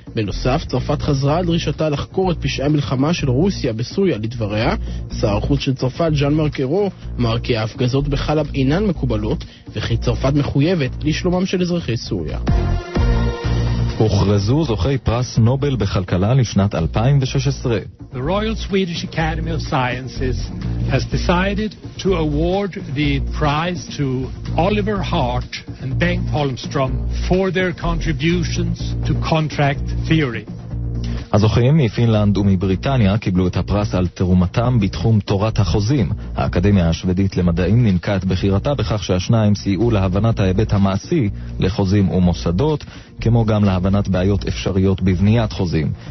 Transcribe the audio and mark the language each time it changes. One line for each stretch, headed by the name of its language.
Hebrew: בנוסף, צרפת חזרה על דרישתה לחקור את פשעי המלחמה של רוסיה בסוריה. לדבריה, שר החוץ של צרפת ז'אן מארק אירו אמר כי ההפגזות בחלב אינן מקובלות וכי צרפת מחויבת לשלומם של אזרחי סוריה. הוכרזו זוכי פרס נובל בכלכלה לשנת 2016.
English: The Royal Swedish Academy of Sciences has decided to award the prize to Oliver Hart and Bengt Holmström for their contributions to contract theory.
Hebrew: הזוכים מפינלנד ומבריטניה קיבלו את הפרס על תרומתם בתחום תורת החוזים. האקדמיה השוודית למדעים נימקה את בחירתה בכך שהשניים סייעו להבנת ההיבט המעשי לחוזים ומוסדות, כמו גם להבנת בעיות אפשריות בבניית חוזים.